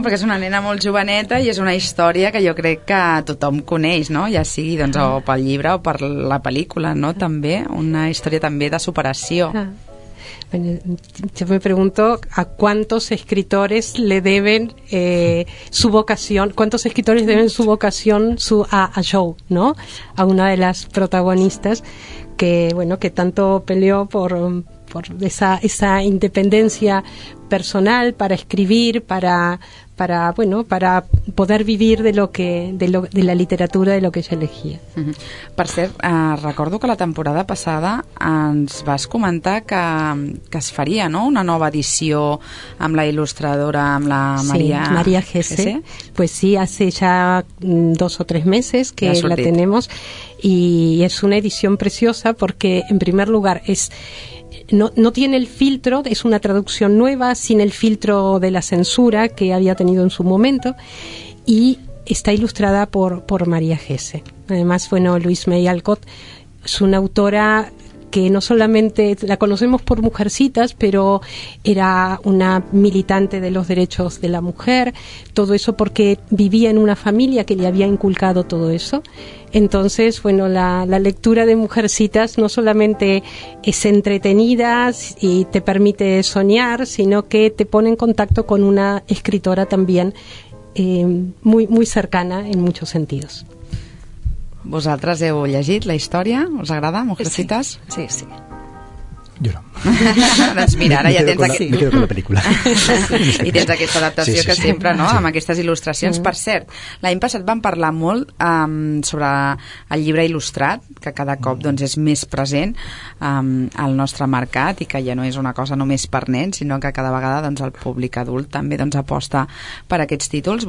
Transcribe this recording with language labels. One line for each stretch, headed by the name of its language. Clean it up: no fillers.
Catalan: Perquè és una nena molt joveneta i és una història que jo crec que tothom coneix, no? Ja sigui doncs, o pel llibre o per la pel·lícula, no? També una història també de superació.
Spanish: Bueno, yo me pregunto a cuántos escritores le deben su vocación, cuántos escritores deben su vocación a Joe, ¿no? A una de las protagonistas que, bueno, que tanto peleó por esa independencia personal para escribir, para bueno, para poder vivir de la literatura, de lo que ella elegía.
Catalan: Per cert, recordo que la temporada passada ens vas comentar que es faria, no?, una nova edició amb la il·lustradora, amb la Maria... Sí, Maria Gese.
Spanish: Pues sí, hace ya dos o tres meses que la tenemos y es una edición preciosa porque, en primer lugar, es... No tiene el filtro, es una traducción nueva, sin el filtro de la censura que había tenido en su momento, y está ilustrada por María Gese. Además, bueno, Louise May Alcott es una autora que no solamente la conocemos por Mujercitas, pero era una militante de los derechos de la mujer, todo eso porque vivía en una familia que le había inculcado todo eso. Entonces, bueno, la lectura de Mujercitas no solamente es entretenida y te permite soñar, sino que te pone en contacto con una escritora también muy, muy cercana en muchos sentidos.
Catalan: ¿Vosaltres heu llegit la història? ¿Os agrada, Mujercitas? Sí, sí, sí. Jo no. Doncs mira, ara ja tens...
Spanish: Me quedo con la pel·lícula.
Catalan: I tens aquesta adaptació sí, sí, que sempre, no?, sí, amb aquestes il·lustracions. Mm. Per cert, l'any passat vam parlar molt sobre el llibre il·lustrat, que cada cop doncs, és més present al nostre mercat i que ja no és una cosa només per nens, sinó que cada vegada doncs, el públic adult també doncs, aposta per aquests títols.